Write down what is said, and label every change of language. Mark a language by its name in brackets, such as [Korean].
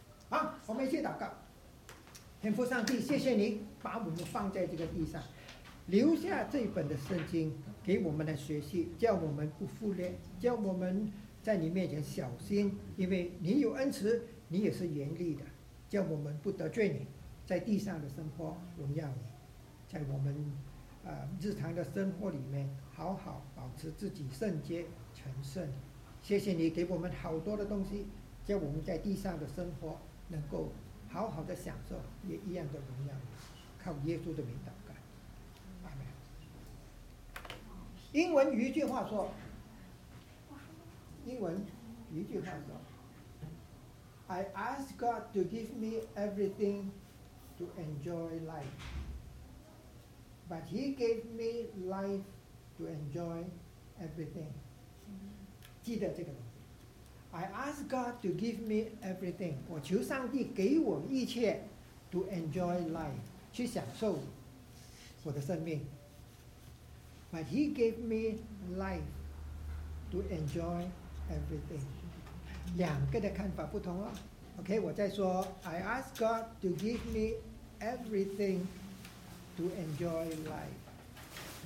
[Chinese] 好，我们一起祷告。天父上帝，谢谢你把我们放在这个地上，留下这本的圣经给我们来学习，叫我们不忽略，叫我们在你面前小心，因为你有恩慈，你也是严厉的，叫我们不得罪你，在地上的生活荣耀你，在我们日常的生活里面好好保持自己圣洁成圣。谢谢你给我们好多的东西，叫我们在地上的生活能够好好的享受，也一样的荣耀你。靠耶稣的名祷告，阿们。英文有一句话说， [English] 英文有一句话说， I ask God to give me everything to enjoy life, but he gave me life to enjoy everything. [Chinese] 记得这个东西， [English] I ask God to give me everything. [Chinese] 我求上帝给我一切 [English] to enjoy life, [Chinese] 去享受我的生命。 [English] But he gave me life to enjoy everything. [Chinese] 两个的看法不同哦。 [English] OK, [Chinese] 我再说 [English] I ask God to give me everything to enjoy life.